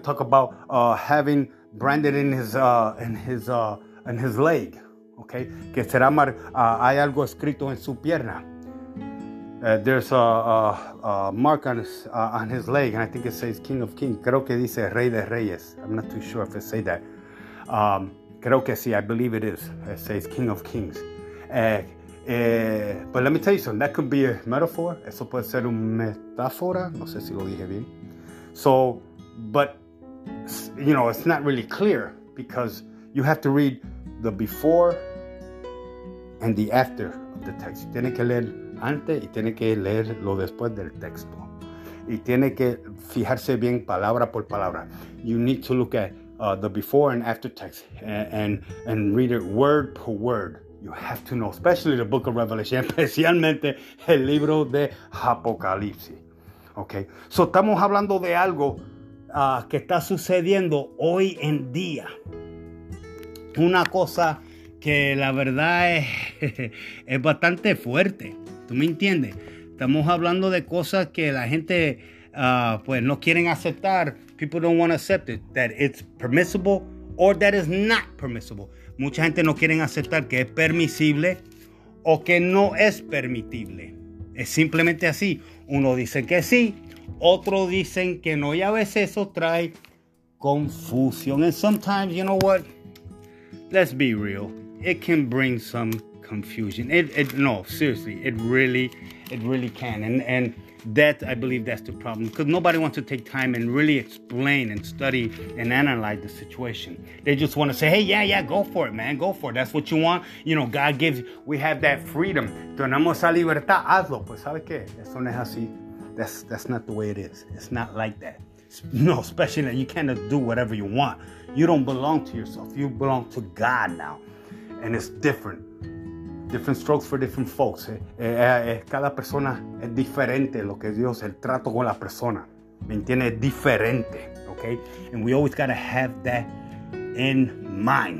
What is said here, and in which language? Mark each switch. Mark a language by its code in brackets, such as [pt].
[en] It'll talk about having branded in his leg, okay? [es] Que será hay algo escrito en su pierna. [en] There's a mark on his leg, and I think it says King of Kings. [es] Creo que dice Rey de Reyes. [en] I'm not too sure if it says that. [es] Creo que sí. [en] I believe it is. It says King of Kings. But let me tell you something. That could be a metaphor. [es] Eso puede ser un metáfora. No sé si lo dije bien. [en] So, but, you know, it's not really clear because you have to read the before and the after of the text. [es] Tiene que leer antes y tiene que leer lo después del texto. Y tiene que fijarse bien palabra por palabra. [en] You need to look at the before and after text and read it word per word. You have to know, especially the book of Revelation, [es] especialmente el libro de Apocalipsis. Okay, so estamos hablando de algo que está sucediendo hoy en día. Una cosa que la verdad es bastante fuerte. ¿Tú me entiendes? Estamos hablando de cosas que la gente pues no quieren aceptar. [en] People don't want to accept it, that it's permissible or that it's not permissible. [es] Mucha gente no quiere aceptar que es permisible o que no es permitible. Es simplemente así. Uno dice que sí, otro dicen que no. Y a veces eso trae confusión. [en] And sometimes, you know what? Let's be real. It can bring some confusion. It really can. And that, I believe that's the problem. Because nobody wants to take time and really explain and study and analyze the situation. They just want to say, hey, yeah, go for it, man. Go for it. That's what you want. You know, God gives, we have that freedom. [es] Tenemos esa libertad. Hazlo. Pues, ¿sabe qué? Eso no es así. [en] That's not the way it is. It's not like that. No, especially that you can't do whatever you want. You don't belong to yourself. You belong to God now. And it's different. Different strokes for different folks. [es] Cada persona es diferente. Lo que Dios, el trato con la persona, me entiende, es diferente. Okay? [en] And we always gotta have that in mind.